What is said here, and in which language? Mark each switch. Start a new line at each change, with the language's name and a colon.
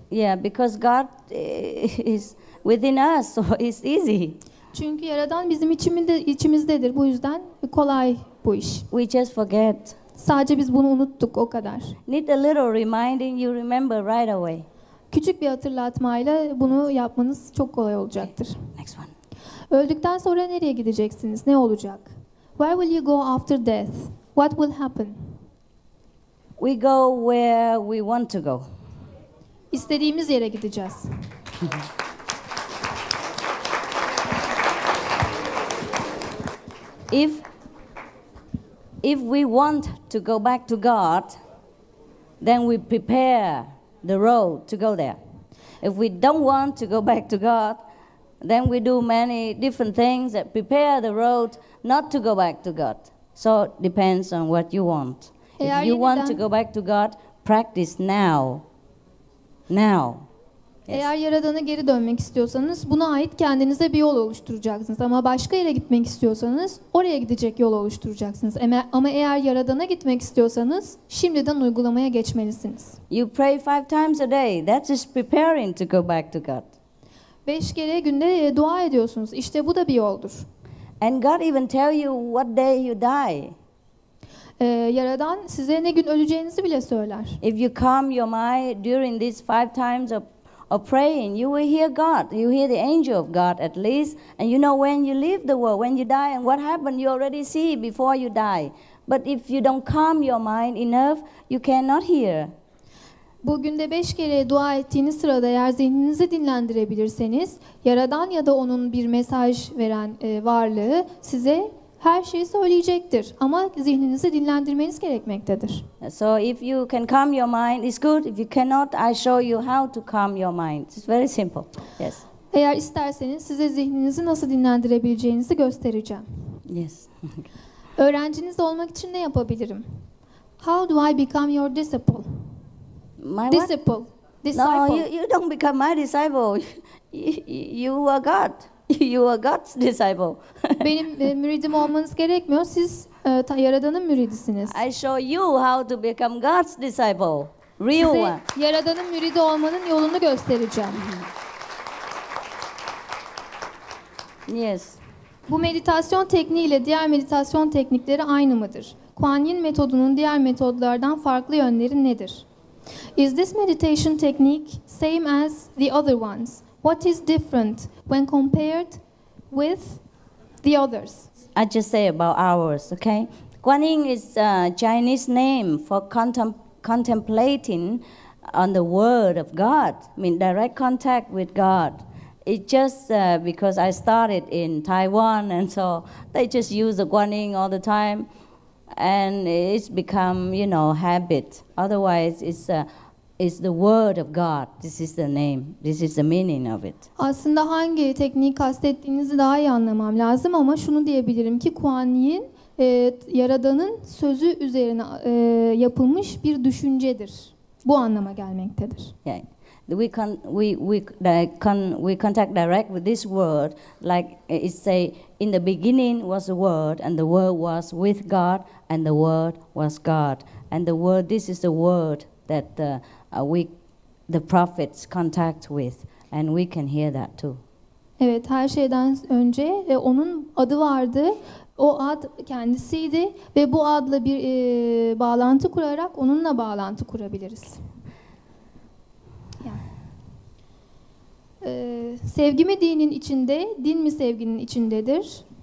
English: Yeah, because God is within us, so it's easy.
Turkish: Çünkü Yaradan bizim içimizdedir. Bu yüzden kolay bu iş.
English: We just forget.
Turkish: Sadece biz bunu unuttuk, o kadar.
English: Need a little reminding, you remember right away.
Turkish: Küçük bir hatırlatmayla bunu yapmanız çok kolay olacaktır.
English: Okay. Next one.
Turkish: Öldükten sonra nereye gideceksiniz? Ne olacak?
English: Where will you go after death? What will happen? We go where we want to go.
Turkish: İstediğimiz yere gideceğiz.
English: If we want to go back to God, then we prepare the road to go there. If we don't want to go back to God, then we do many different things that prepare the road not to go back to God. So it depends on what you want. If you want to go back to God, practice now. Now. Yes.
Turkish: Eğer Yaradan'a geri dönmek istiyorsanız, buna ait kendinize bir yol oluşturacaksınız. Ama başka yere gitmek istiyorsanız, oraya gidecek yol oluşturacaksınız. Ama eğer Yaradan'a gitmek istiyorsanız, şimdiden uygulamaya geçmelisiniz.
English: You pray 5 times a day. That is preparing to go back to God.
Turkish: 5 kere günde dua ediyorsunuz. İşte bu da bir yoldur.
English: And God even tell you what day you die.
Turkish: Yaradan size ne gün öleceğinizi bile söyler.
English: If you calm your mind during these 5 times of praying, you will hear God. You hear the angel of God at least, and you know when you leave the world, when you die, and what happened, you already see before you die. But if you don't calm your mind enough, you cannot hear.
Turkish: Bugün de 5 kere dua ettiğiniz sırada eğer zihninizi dinlendirebilirseniz, Yaradan ya da onun bir mesaj veren varlığı size her şeyi söyleyecektir. Ama zihninizi dinlendirmeniz gerekmektedir.
English: So if you can calm your mind, it's good. If you cannot, I show you how to calm your mind. It's very simple. Yes.
Turkish: Eğer isterseniz size zihninizi nasıl dinlendirebileceğinizi göstereceğim.
English: Yes.
Turkish: Öğrenciniz olmak için ne yapabilirim?
English: How do I become your disciple? My disciple. What? Disciple. No, you don't become my disciple. You are God. You are God's disciple.
Turkish: Benim müridim olmanız gerekmiyor. Siz Yaradan'ın müridisiniz.
English: I show you how to become God's disciple. Real one.
Turkish: Yaradan'ın müridi olmanın yolunu göstereceğim.
English: Yes.
Turkish: Bu meditasyon tekniği ile diğer meditasyon teknikleri aynı mıdır? Kuan Yin metodunun diğer metodlardan farklı yönleri nedir?
English: Is this meditation technique same as the other ones? What is different when compared with the others? I just say about ours, okay? Kuan Yin is a Chinese name for contemplating on the word of God, mean direct contact with God. It's just because I started in Taiwan, and so they just use the Kuan Yin all the time, and it's become, you know, habit. Otherwise, it's is the word of God. This is the name. This is the meaning of it.
Turkish: Aslında hangi tekniği kastettiğinizi daha iyi anlamam lazım ama şunu diyebilirim ki Kuan Yin Yaradan'ın sözü üzerine yapılmış bir düşüncedir. Bu anlama gelmektedir.
English: Yeah. We contact direct with this word, like it say in the beginning was the word and the word was with God and the word was God and the word, this is the word that we the prophets contact with, and we can hear that too.
Turkish: Evet, her şeyden önce onun adı vardı. O ad kendisiydi ve bu adla bir bağlantı kurarak onunla bağlantı kurabiliriz. Sevgi mi dinin içinde, din mi sevginin içindedir?